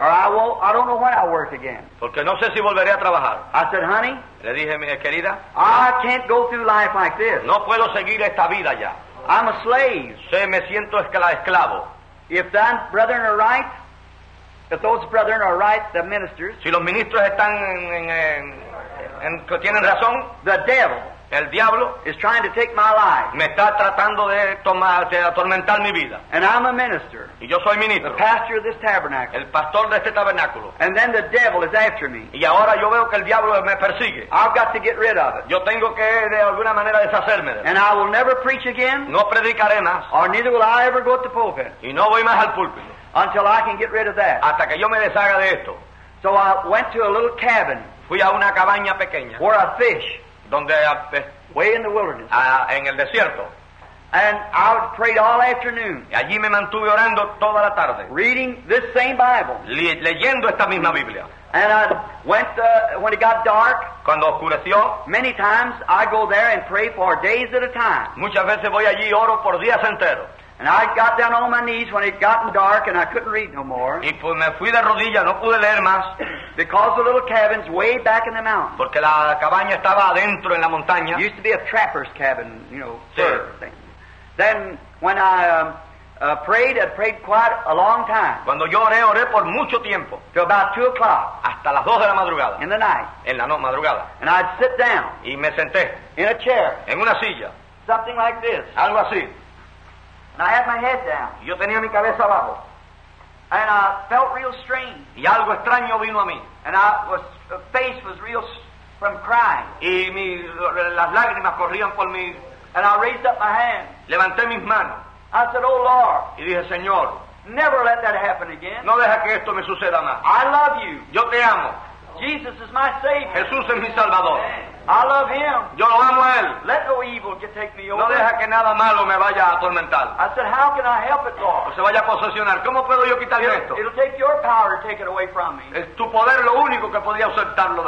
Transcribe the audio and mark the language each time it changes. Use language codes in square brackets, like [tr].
[en] or I don't know when I'll work again, [es] porque no sé si volveré a trabajar. [en] I said, honey, [es] le dije, mi querida, [en] I can't go through life like this. [es] No puedo seguir esta vida ya. [en] I'm a slave. [es] Sí, me siento esclavo. [en] If that brethren are right, if those brethren are right, the ministers, [es] si los ministros están en que tienen razón, [en] the devil, [es] El diablo [en] is trying to take my life. [es] Me está tratando de atormentar mi vida. [en] And I'm a minister. [es] Y yo soy ministro. [en] The pastor of this tabernacle. [es] El pastor de este tabernáculo. [en] And then the devil is after me. [es] Y ahora yo veo que el diablo me persigue. [en] I've got to get rid of it. [es] Yo tengo que de alguna manera deshacerme de él. [en] And I will never preach again. [es] No predicaré más. [en] Or neither will I ever go to the pulpit. [es] Y no voy más al púlpito. [en] Until I can get rid of that. [es] Hasta que yo me deshaga de esto. [en] So I went to a little cabin. [es] Fui a una cabaña pequeña. [en] Where a fish. [es] Donde, [en] way in the wilderness. [es] En el desierto. [en] And I prayed all afternoon. [es] Y allí me mantuve orando toda la tarde. [en] Reading this same Bible. [es] Leyendo esta misma Biblia. [en] And I went when it got dark. [es] Cuando oscureció. [en] Many times I go there and pray for days at a time. [es] Muchas veces voy allí y oro por días enteros. [en] And I got down on my knees when it got dark and I couldn't read no more. [es] Y pues me fui de rodillas, no pude leer más. [en] Because the little cabin's way back in the mountain. [es] Porque la cabaña estaba adentro en la montaña. [en] It used to be a trapper's cabin, you know, [es] sí. [en] Fur thing. Then when I prayed quite a long time. [es] Cuando yo oré, oré por mucho tiempo. [en] To about 2 o'clock. [es] Hasta las 2 de la madrugada. [en] In the night. [es] En la madrugada. [en] And I'd sit down. [es] Y me senté. [en] In a chair. [es] En una silla. [en] Something like this. [es] Algo así. [en] And I had my head down. [es] Yo tenía mi cabeza abajo. [en] And I felt real strange. [es] Y algo extraño vino a mí. [en] And I was, the face was real from crying. [es] Y mi, las lágrimas corrían por mí. [en] And I raised up my hand. [es] Levanté mis manos. [en] I said, "Oh Lord." [es] Y dije, Señor. [en] Never let that happen again. [es] No deja que esto me suceda más. [en] I love you. [es] Yo te amo. [en] Jesus is my Savior. [es] Jesús es mi Salvador. [en] I love him. [es] Yo lo amo a él. [en] Let no evil take me over. [es] No deja que nada malo me vaya a atormentar. [en] I said, how can I help it, Lord? [es] Se vaya a posesionar. ¿Cómo puedo yo quitarle esto? [en] It'll take your power to take it away from me. [es] Es tu poder lo único que podía ausentarlo de